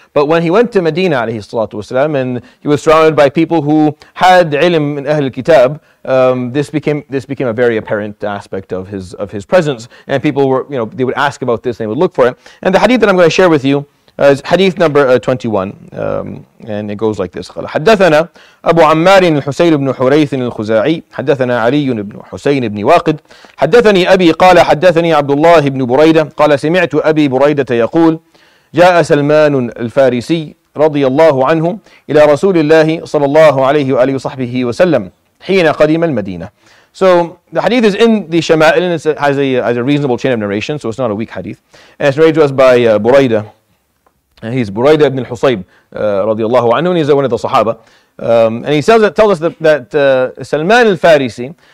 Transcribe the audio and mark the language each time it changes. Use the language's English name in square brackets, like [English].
[English] But when he went to Medina alayhi salatu wasalam, and he was surrounded by people who had ilm in Ahl al-Kitab, this became a very apparent aspect of his presence. And people were, you know, they would ask about this and they would look for it. And the hadith that I'm going to share with you is hadith number 21. And it goes like this. [Arabic] حدثنا أبو عمار الحسين بن حريث الخزاعي حدثنا علي بن حسين بن واقد حدثني أبي قال حدثني عبد الله بن بريدة قال سمعت أبي بريدة يقول جاء سلمان الفارسي رضي الله عنه إلى رسول الله صلى الله عليه وآله وصحبه وسلم حين قدم المدينة. [English] So the hadith is in the Shama'il, and it has a reasonable chain of narration, so it's not a weak hadith. And it's narrated to us by Burayda. He's Burayda ibn al-Husayb, radiallahu anhu, and he's one of the Sahaba. And he tells us that Salman al-Farisi.